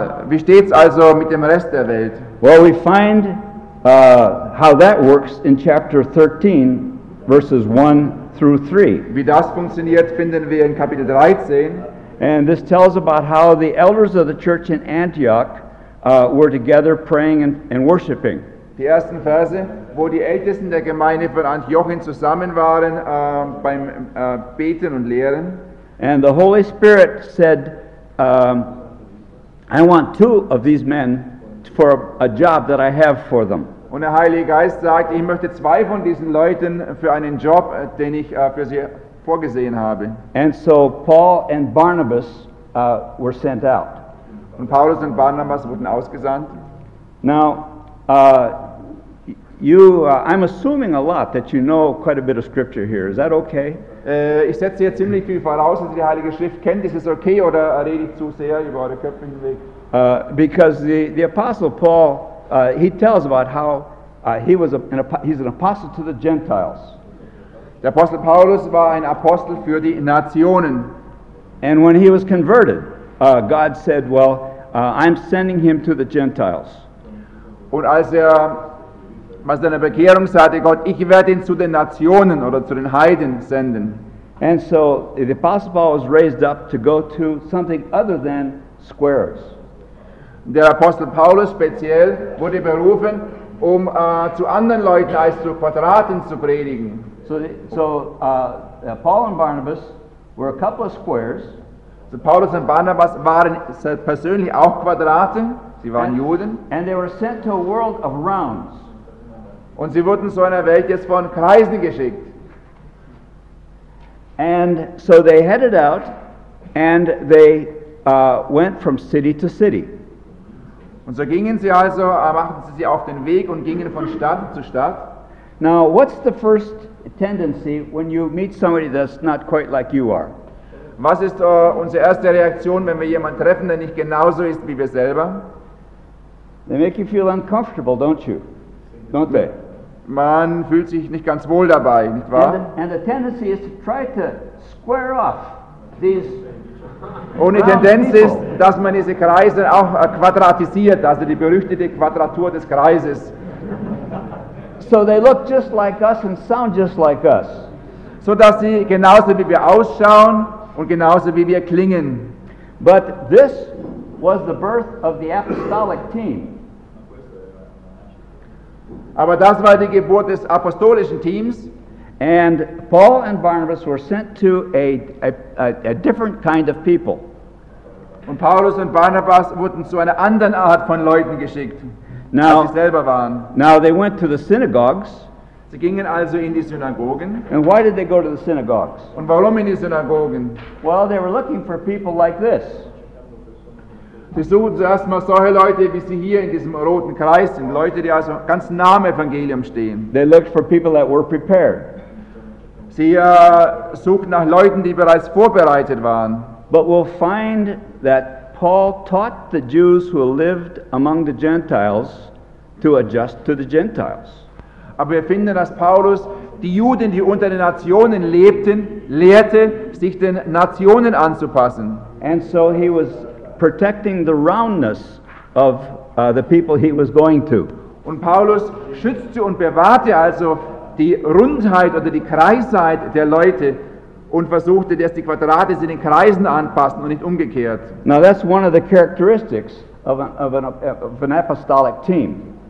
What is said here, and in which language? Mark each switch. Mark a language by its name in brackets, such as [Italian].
[German] Wie steht's also mit dem Rest der Welt? [English] Well, we find how that works in chapter 13, verses 1 through 3. [German] Wie das funktioniert, finden wir in Kapitel 13. [English] And this tells about how the elders of the church in Antioch were together praying and worshiping. [German] Die ersten Verse, wo die Ältesten der Gemeinde von Antiochien zusammen waren beim Beten und Lehren. [English] And the Holy Spirit said, I want two of these men for a job that I have for them. [German] Und der Heilige Geist sagt, ich möchte zwei von diesen Leuten für einen Job, den ich für sie vorgesehen habe. [English] And so Paul and Barnabas were sent out. [German] Und Paulus und Barnabas wurden ausgesandt. [English] Now, I'm assuming a lot that you know quite a bit of scripture here. Is that okay? [German] Ich setze jetzt ziemlich viel voraus, dass ihr die Heilige Schrift kennt. Ist es okay oder rede ich zu sehr über eure Köpfe hinweg? [English] Because the Apostle Paul, he tells about how he was he's an apostle to the Gentiles. [German] Der Apostel Paulus war ein Apostel für die Nationen. [English] And when he was converted, God said, well, I'm sending him to the Gentiles. [German] Und als er bei seiner Bekehrung sagte, Gott, ich werde ihn zu den Nationen oder zu den Heiden senden. [English] And so the Apostle Paul was raised up to go to something other than squares. [German] Der Apostel Paulus speziell wurde berufen, um zu anderen Leuten als zu Quadraten zu predigen. [English] So Paul and Barnabas were a couple of squares. [German] So Paulus und Barnabas waren persönlich auch Quadraten. Sie waren Juden. [English] And they were sent to a world of rounds. [German] Und sie wurden so einer Welt jetzt von Kreisen geschickt. [English] And so they headed out and they went from city to city. [German] Und so gingen sie also, machten sie sich auf den Weg und gingen von Stadt zu Stadt. [English] Now, what's the first tendency when you meet somebody that's not quite like you are? [German] Was ist unsere erste Reaktion, wenn wir jemanden treffen, der nicht genauso ist wie wir selber? [English] They make you feel uncomfortable, don't you? Don't they? [German] Man fühlt sich nicht ganz wohl dabei, nicht wahr? [English] And the tendency is to try to square off these. [German] Und die Tendenz ist, dass man diese Kreise auch quadratisiert, also die berüchtigte Quadratur des Kreises. [English] So they look just like us and sound just like us. [German] So dass sie genauso wie wir ausschauen und genauso wie wir klingen. [English] But this was the birth of the apostolic team. [German] Aber das war die Geburt des apostolischen Teams. [English] And Paul and Barnabas were sent to a different kind of people. [German] Und Paulus und Barnabas wurden zu einer anderen Art von Leuten geschickt. [English] Now, [German] als sie selber waren. [English] Now they went to the synagogues. [German] Sie gingen also in die Synagogen. [English] And why did they go to the synagogues? [German] Und warum in die Synagogen? [English] Well, they were looking for people like this. [German] Sie suchten zuerst mal solche Leute, wie sie hier in diesem roten Kreis sind. Leute, die also ganz nah am Evangelium stehen. [English] They looked for people that were prepared. [German] Sie suchten nach Leuten, die bereits vorbereitet waren. [English] But we'll find that Paul taught the Jews who lived among the Gentiles to adjust to the Gentiles. [German] Aber wir finden, dass Paulus die Juden, die unter den Nationen lebten, lehrte, sich den Nationen anzupassen. [English] And so he was protecting the roundness of the people he was going to. [German] Und Paulus schützte und bewahrte also die Rundheit oder die Kreisheit der Leute und versuchte, dass die Quadrate sich den Kreisen anpassen und nicht umgekehrt. [English] Now that's one of the characteristics of an apostolic team.